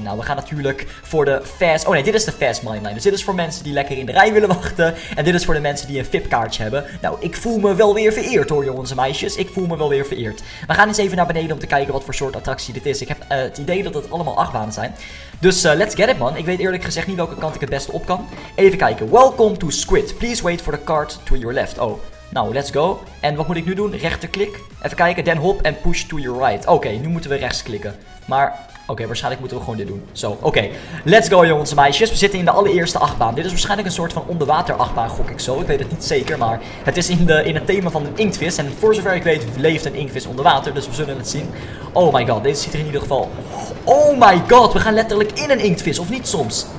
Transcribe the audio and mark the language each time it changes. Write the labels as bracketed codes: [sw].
[nl] Nou, we gaan natuurlijk voor de fast... Oh nee, dit is de fast mine line. Dus dit is voor mensen die lekker in de rij willen wachten. En dit is voor de mensen die een VIP-kaartje hebben. Nou, ik voel me wel weer vereerd hoor, jongens en meisjes. Ik voel me wel weer vereerd. We gaan eens even naar beneden om te kijken wat voor soort attractie dit is. Ik heb het idee dat het allemaal achtbanen zijn. Dus [en] let's get it, man. [nl] Ik weet eerlijk gezegd niet welke kant ik het beste op kan. Even kijken. [en] Welcome to Squid. Please wait for the cart to your left. [nl] Oh, nou, [en] let's go. [nl] En wat moet ik nu doen? Rechterklik. Even kijken. [en] Then hop and push to your right. [nl] Oké, nu moeten we rechts klikken. Maar, waarschijnlijk moeten we gewoon dit doen. Zo, [en] Let's go, [nl] jongens en meisjes. We zitten in de allereerste achtbaan. Dit is waarschijnlijk een soort van onderwater achtbaan, gok ik zo. Ik weet het niet zeker, maar het is in het thema van een inktvis. En voor zover ik weet, leeft een inktvis onder water. Dus we zullen het zien. [en] Oh my god, [nl] deze ziet er in ieder geval... Oh my god, we gaan letterlijk in een inktvis, of niet soms?